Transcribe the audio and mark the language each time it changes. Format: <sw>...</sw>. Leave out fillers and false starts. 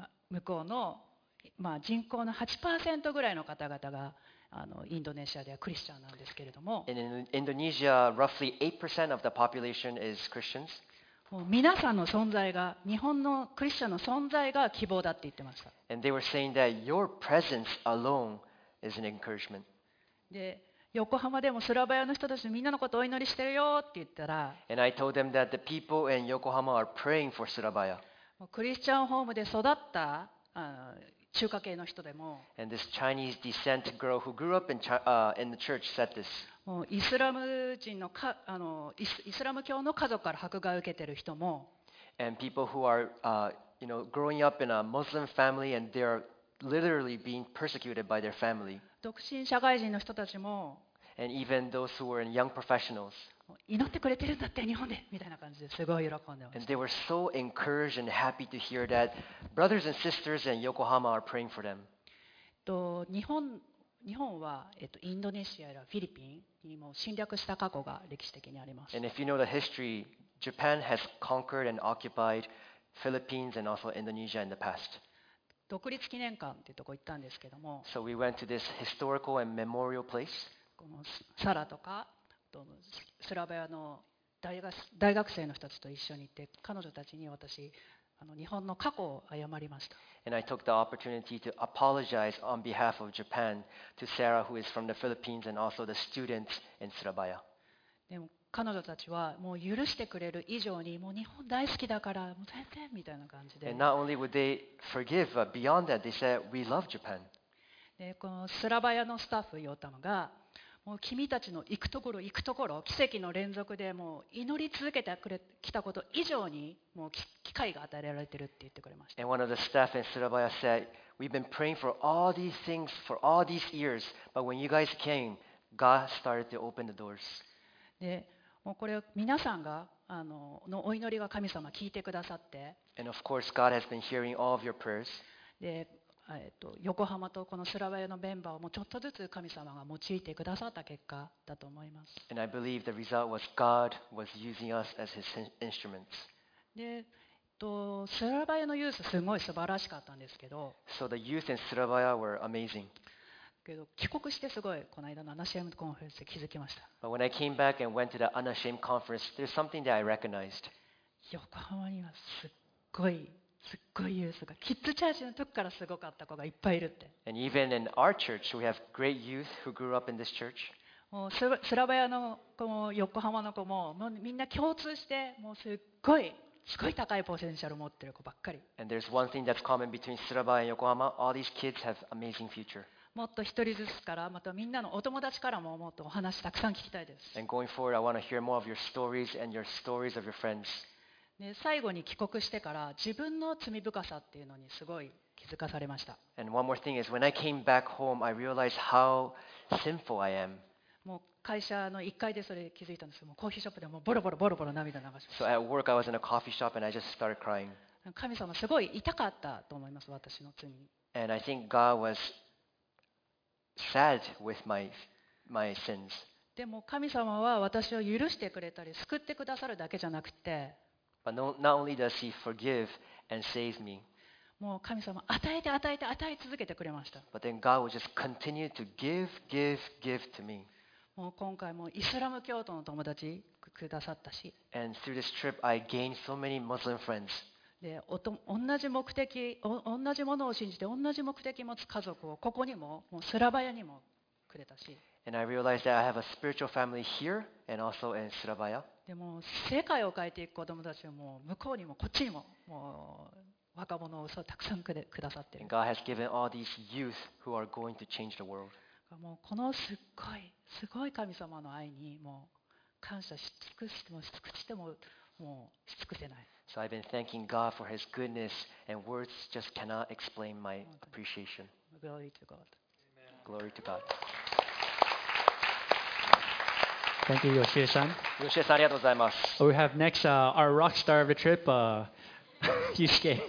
<ja>向こうの、人口の 8% ぐらいの方々がインドネシアではクリスチャンなんですけれども、</ja> <en>Indonesia, roughly 8% of the population is Christians.</en> <ja>もう皆さんの存在が、日本のクリスチャンの存在が希望だって言ってました。</ja> <en>And they were saying that your presence alone is an encouragement.</en> <ja>で、横浜でもスラバヤの人たちみんなのことお祈りしてるよって言ったら、</ja> <en>And I told them that the people in Yokohama are praying for Surabaya.</en> <ja>クリスチャンホームで育った中華系の人でも、</ja> <en>And this Chinese descent girl who grew up in the church said this.</en> <ja>もうイスラム教の家族から迫害を受けている人も、</ja> <en>And people who are growing up in a Muslim family and they are literally being persecuted by their family.</en> <ja>独身社会人の人たちも、</ja> <en>And even those who are young professionals.</en> <ja>祈ってくれてるんだって日本でみたいな感じですごい喜んでました。</ja> <en>And they were so encouraged and happy to hear that brothers and sisters in Yokohama are praying for them.</en> <ja>日本はインドネシアやフィリピンにも侵略した過去が歴史的にあります。</ja> <en>And if you know the history, Japan has conquered and occupied Philippines and also Indonesia in the past.</en> <ja>独立記念館ってとこ行ったんですけども。</ja> <en>So we went to this historical and memorial place.</en> <ja>このサラとか。スラバヤの大学生の人たちと一緒に行って、彼女たちに私、日本の過去を謝りました。</ja> <en>And I took the opportunity to apologize on behalf of Japan to Sarah, who is from the Philippines and also the students in Surabaya.</en> <ja>でも彼女たちはもう許してくれる以上に、もう日本大好きだから、もう全然みたいな感じで。</ja> <en>And not only would they forgive, but beyond that, they said, we love Japan.</en> <ja>で、このスラバヤのスタッフ、ヨタムが、もう君たちの行くところ行くところ奇跡の連続でもう祈り続けてきたこと以上にもう機会が与えられているって言ってくれました。</ja> <en>And one of the staff in Surabaya said, we've been praying for all these things for all these years, but when you guys came, God started to open the doors.</en> <ja>でもうこれ皆さんがのお祈りが神様聞いてくださって、</ja> <en>And of course God has been hearing all of your prayers.</en> <ja>で横浜とこのスラバヤのメンバーをもうちょっとずつ神様が用いてくださった結果だと思います。</ja> <en>And I believe the result was God was using us as his instruments.</en> <ja>で、スラバヤのユースすごい素晴らしかったんですけど。</ja> <en>So the youth in Surabaya were amazing.</en> <ja>けど帰国してすごいこの間のアナシェームコンフェレンスで気づきました。</ja> <en>But when I came back and went to the Unashamed conference, there's something that I recognized.</en> <ja>横浜にはすっごいユースがキッズチャージの時からすごかった子がいっぱいいるって。</ja> <en>And even in our church, we have great youth who grew up in this church.</en> <ja>もうスラバヤの子も横浜の子もうみんな共通してもうすっごい高いポテンシャルを持ってる子ばっかり。</ja> <en>And there's one thing that's common between Surabaya and Yokohama. All these kids have amazing future.</en> <ja>もっと一人ずつからまたみんなのお友達からももっとお話たくさん聞きたいです。</ja> <en>And going forward, I want to hear more of your stories and your stories of your friends.</en> <ja>で最後に帰国してから自分の罪深さっていうのにすごい気づかされました。もう会社の1階でそれ気づいたんですけど、もうコーヒーショップでもうボロボロボロボロ涙流しました。</ja> <en>So at work I was in a coffee shop and I just started crying.</en> <ja>神様すごい痛かったと思います、私の罪。</ja> <en>And I think God was sad with my sins.</en> <ja>でも神様は私を許してくれたり救ってくださるだけじゃなくて、</ja> <en>Not only does he forgive and save me,</en> <ja>もう神様与えて与えて与え続けてくれました。</ja> <en>But then God will just continue to give, give, give to me.</en> <ja>もう今回もイスラム教徒の友達くださったし、</ja> <en>And through this trip, I gained so many Muslim friends.</en> <ja>で、同じものを信じて同じ目的持つ家族をここにも、もうスラバヤにもくれたし、</ja> <en>And I realized that I have a spiritual family here and also in Surabaya.</en> <ja>でも世界を変えていく子どもたちはもう向こうにもこっちに もう若者をそうたくさんくださっている。</ja> <en>God has given all these youth who are going to change the world.</en> <ja>もうこのすごい神様の愛にもう感謝し尽くしてもし尽くしてももうし尽くせない。</ja> <en>So I've been thanking God for His goodness, and words just cannot explain my appreciation. Glory to God. Amen. Glory to God. Thank you, Yoshie-san.</en> <ja>Yoshie-san, ありがとうございます。</ja> <en>We have next our rock star of the trip, Yusuke.</en>